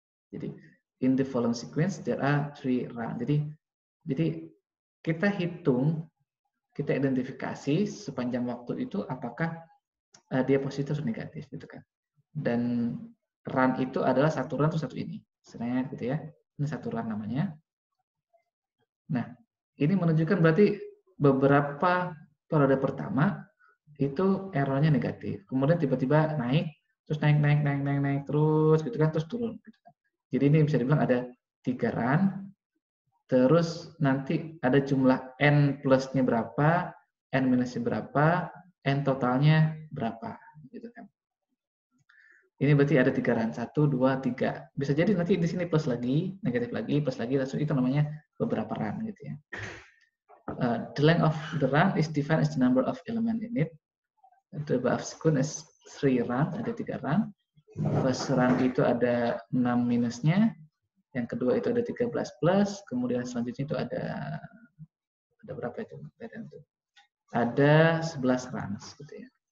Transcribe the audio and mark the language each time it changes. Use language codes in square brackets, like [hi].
[en] Jadi, in the following sequence, there are three run. [id] Jadi kita hitung, kita identifikasi sepanjang waktu itu apakah dia positif atau negatif, gitu kan. Dan run itu adalah satu run atau satu ini. Sebenarnya, gitu ya. Ini satu run namanya. Nah, ini menunjukkan berarti beberapa periode pertama itu errornya negatif. Kemudian tiba-tiba naik, terus naik terus gitu kan, terus turun. Gitu kan. Jadi ini bisa dibilang ada tiga run, terus nanti ada jumlah n plusnya berapa, n minusnya berapa, n totalnya berapa, gitu kan. Ini berarti ada tiga run, satu, dua, tiga. Bisa jadi nanti di sini plus lagi, negatif lagi, plus lagi, langsung itu namanya beberapa run, gitu ya. [en] The length of the run is defined as the number of elements in it. The above sequence is three run, [id] ada tiga run. [en] First run [id] itu ada 6 minusnya, yang kedua itu ada 13 plus, kemudian selanjutnya itu ada berapa itu? Ada 11 runs, gitu ya.